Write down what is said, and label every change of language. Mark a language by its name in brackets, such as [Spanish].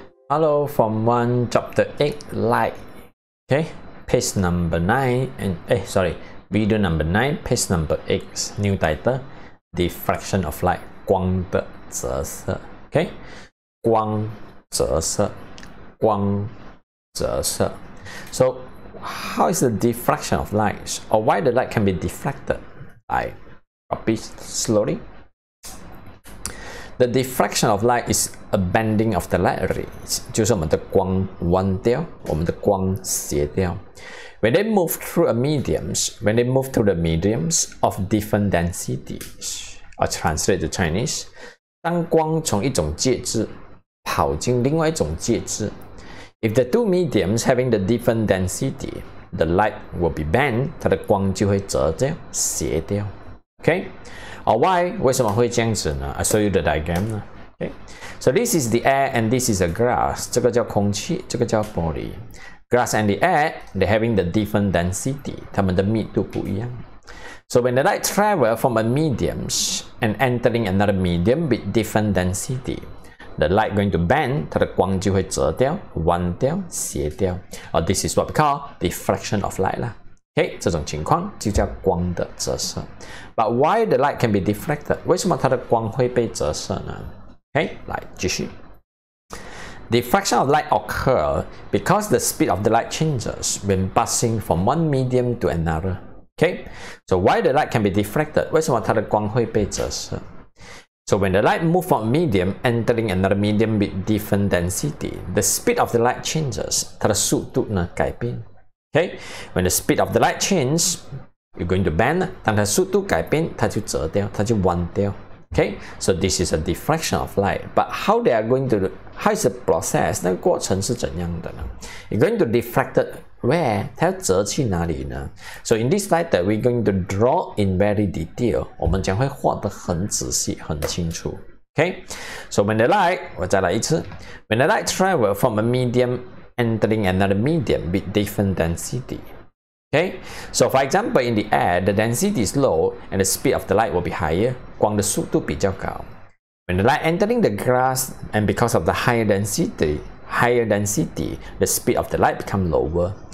[English] Hello, from one chapter 8, like, okay, page number 9, and video number 9, page number 8, new title, Diffraction of Light, [Chinese] 光的折射, [English] okay, [Chinese] 光折射, [English] so how is the diffraction of light, or why the light can be diffracted? I copy slowly. The diffraction of light is a bending of the light rays. [Chinese] 就是我们的光弯掉，我们的光斜掉。 [English] When they move through a medium, when they move through the mediums of different densities, or translate to Chinese, [Chinese] 当光从一种介质跑进另外一种介质 [English] if the two mediums having the different density, the light will be bent, [Chinese] 它的光就会折掉，斜掉。 [English] Okay? Why? [Chinese] 为什么会这样子呢? [English] I show you the diagram. Okay. So this is the air and this is the grass. [Chinese] 这个叫空气,这个叫玻璃。 [English] Grass and the air, they're having the different density. [Chinese] 它们的密度不一样。 [English] So when the light travels from a medium and entering another medium with different density, the light going to bend, [Chinese] 它的光就会折掉,弯掉,斜掉。 [English] Or this is what we call diffraction of light. Okay, [Chinese] 这种情况就叫光的折射。 [English] But why the light can be diffracted? [Chinese] 为什么它的光会被折射呢? Okay, 来继续。 [English] Diffraction of light occurs because the speed of the light changes when passing from one medium to another. Okay, so why the light can be diffracted? [Chinese] 为什么它的光会被折射? [English] So when the light moves from a medium, entering another medium with different density, the speed of the light changes, [Chinese] 它的速度呢改变。 [English] Okay, when the speed of the light changes, you're going to bend. [Chinese] 当它速度改变，它就折掉，它就弯掉。 [English] Okay, so this is a diffraction of light. But how they are going to, how is the process? [Chinese] 那个过程是怎样的呢? [English] You're going to diffract it where? [Chinese] 它要折去哪里呢? [English] So in this light, we're going to draw in very detail. [Chinese] 我们将会画得很仔细，很清楚。 [English] Okay, so when the light, [Chinese] 我再来一次。 [English] When the light travels from a mediumentering another medium with different density. Okay, so for example, in the air, the density is low and the speed of the light will be higher. [Chinese] 光的速度比较高. [English] When the light entering the grass and because of the higher density, the speed of the light become lower.